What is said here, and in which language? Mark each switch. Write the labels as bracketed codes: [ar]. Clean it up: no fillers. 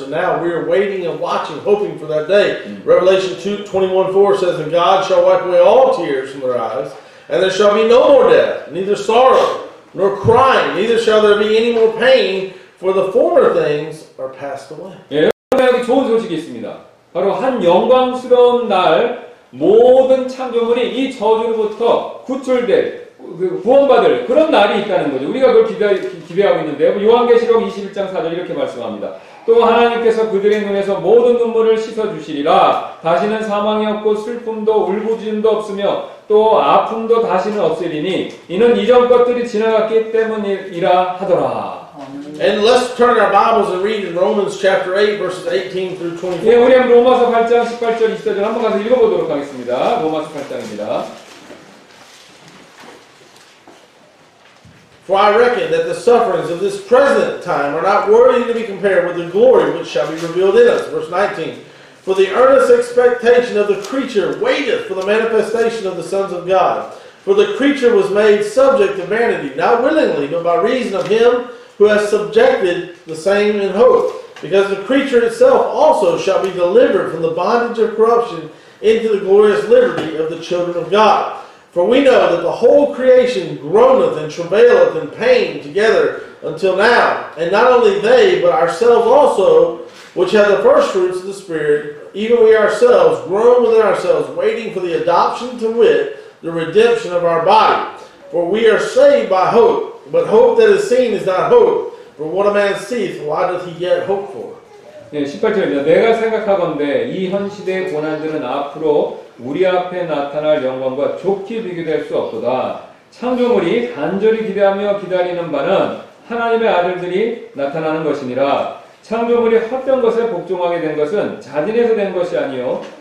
[en] And now we are waiting and watching, hoping for that day. Revelation 2:21-4 says, And God shall wipe away all tears from their eyes, and there shall be no more death, neither sorrow, nor crying, neither shall there be any more pain, for the former things are passed away. [ko] 예, 여러분에게 좋은 소식이 있습니다. 바로 한 영광스러운 날, 모든 창조물이 이 저주로부터 구출될, 구원받을 그런 날이 있다는 거죠. 우리가 그걸 기대하고 있는데요. 요한계시록 21장 4절 이렇게 말씀합니다. 또 하나님께서 그들의 눈에서 모든 눈물을 씻어주시리라. 다시는 사망이 없고 슬픔도 울부짖음도 없으며 또 아픔도 다시는 없으리니 이는 이전 것들이 지나갔기 때문이라 하더라. [en] And let's turn our Bibles and read in Romans chapter 8, verses 18 through 24. [ko] 예, 우리 한번 로마서 8장 18절 24절 한번 가서 읽어보도록 하겠습니다. 로마서 8장입니다. [en] For I reckon that the sufferings of this present time are not worthy to be compared with the glory which shall be revealed in us. Verse 19. For the earnest expectation of the creature waiteth for the manifestation of the sons of God. For the creature was made subject to vanity, not willingly, but by reason of him who has subjected the same in hope, because the creature itself also shall be delivered from the bondage of corruption into the glorious liberty of the children of God. For we know that the whole creation groaneth and travaileth in pain together until now, and not only they, but ourselves also, which have the first fruits of the Spirit, even we ourselves groan within ourselves, waiting for the adoption to wit, the redemption of our body. For we are saved by hope, But hope that is seen is not hope. For what a man sees, why does he yet hope for? [ko] 네, 18절입니다. 내가 생각하건대 이 현 시대의 고난들은 앞으로 우리 앞에 나타날 영광과 좋게 비교될 수 없도다. 창조물이 간절히 기대하며 기다리는 바는 하나님의 아들들이 나타나는 것이니라. 창조물이 헛된 것에 복종하게 된 것은 자진해서 된 것이 아니요